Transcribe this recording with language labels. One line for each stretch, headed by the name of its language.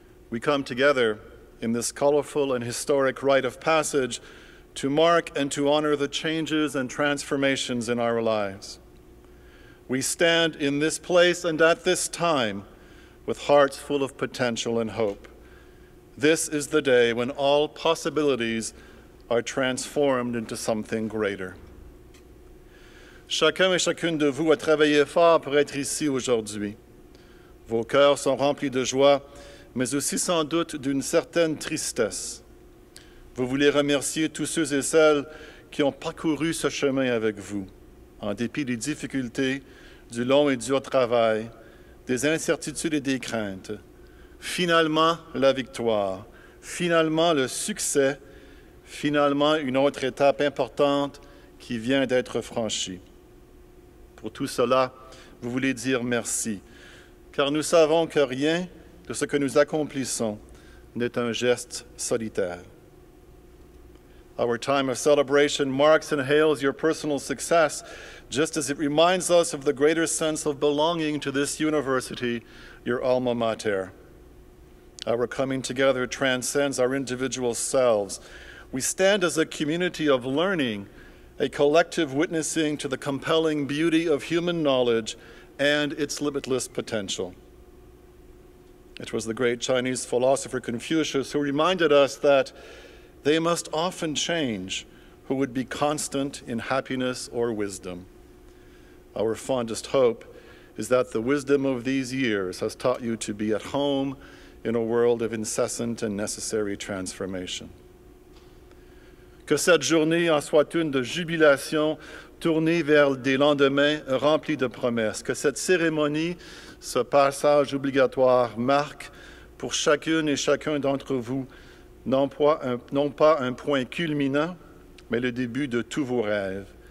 English: We come together in this colorful and historic rite of passage to mark and to honor the changes and transformations in our lives. We stand in this place and at this time with hearts full of potential and hope. This is the day when all possibilities are transformed into something greater.
French: Chacun et chacune de vous a travaillé fort pour être ici aujourd'hui. Vos cœurs sont remplis de joie, mais aussi sans doute d'une certaine tristesse. Vous voulez remercier tous ceux et celles qui ont parcouru ce chemin avec vous. En dépit des difficultés, du long et dur travail, des incertitudes et des craintes, finalement la victoire, finalement le succès, finalement une autre étape importante qui vient d'être franchie. Pour tout cela, vous voulez dire merci, car nous savons que rien de ce que nous accomplissons n'est un geste solitaire.
English: Our time of celebration marks and hails your personal success, just as it reminds us of the greater sense of belonging to this university, your alma mater. Our coming together transcends our individual selves. We stand as a community of learning, a collective witnessing to the compelling beauty of human knowledge and its limitless potential. It was the great Chinese philosopher Confucius who reminded us that they must often change who would be constant in happiness or wisdom. Our fondest hope is that the wisdom of these years has taught you to be at home in a world of incessant and necessary transformation.
French: Que cette journée en soit une de jubilation tournée vers des lendemains remplis de promesses. Que cette cérémonie, ce passage obligatoire, marque pour chacune et chacun d'entre vous non pas un point culminant, mais le début de tous vos rêves.